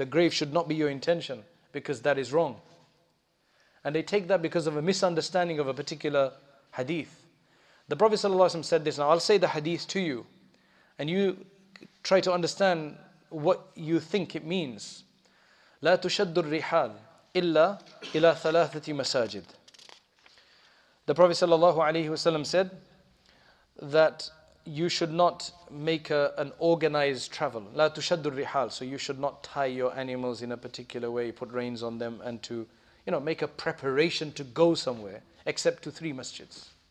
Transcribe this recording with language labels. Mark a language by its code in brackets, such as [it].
[en] The grave should not be your intention because that is wrong. And they take that because of a misunderstanding of a particular hadith. The Prophet sallallahu alayhi wa sallam said this. Now I'll say the hadith to you and you try to understand what you think it means. [ar] لا تشد الرحال إلا إلى ثلاثة مساجد. [en] The Prophet sallallahu alayhi wa sallam said that you should not make an organized travel. [ar] لا تشد الرحال. [en] So you should not tie your animals in a particular way, put reins on them, and to, you know, make a preparation to go somewhere, except to three masjids.